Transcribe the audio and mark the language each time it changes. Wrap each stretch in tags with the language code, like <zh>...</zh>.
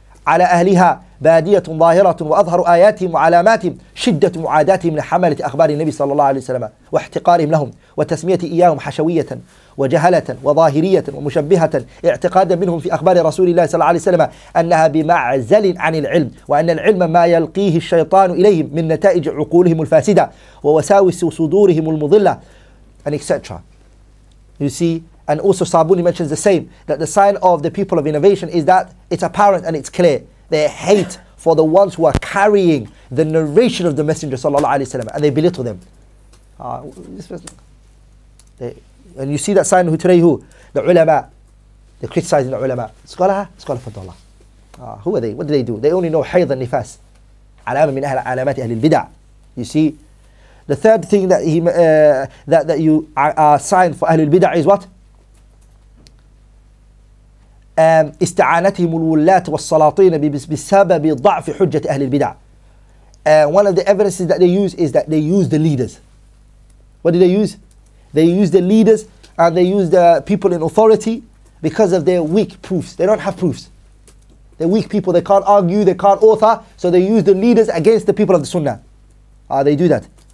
<ar>على أهلها بادية ظاهرة وأظهر آياتهم وعلاماتهم شدة معاداتهم لحملة أخبار النبي صلى الله عليه وسلم واحتقارهم لهم وتسمية إياهم حشوية وجهلة وظاهرية ومشبهة اعتقادا منهم في أخبار رسول الله صلى الله عليه وسلم أنها بمعزل عن العلم وأن العلم ما يلقيه الشيطان إليهم من نتائج عقولهم الفاسدة ووساوس صدورهم المضلة</ar> <en>and etc. You see, and also Sabuni mentions the same, that the sign of the people of innovation is that it's apparent and it's clear their hate for the ones who are carrying the narration of the Messenger sallallahu alaihi wasallam, and they belittle them. And you see that sign who today who? The ulama. They're criticizing the ulama. Scholar? Scholar for Allah. Who are they? What do they do? They only know hayd and nifas.</en> <ar>Alama min ahla alamati ahli al-bid'ah.</ar> <en>You see? The third thing that you are signed for ahli al-bid'ah is what?</en> <ar>استعانتهم الولاة والسلاطين بسبب ضعف حجة أهل البدع.</ar> <en>One of the evidences that they use is that they use the leaders. What do they use? They use the leaders and they use the people in authority because of their weak proofs. They don't have proofs. They're weak people. They can't argue. They can't author. So they use the leaders against the people of the Sunnah. They do that.</en>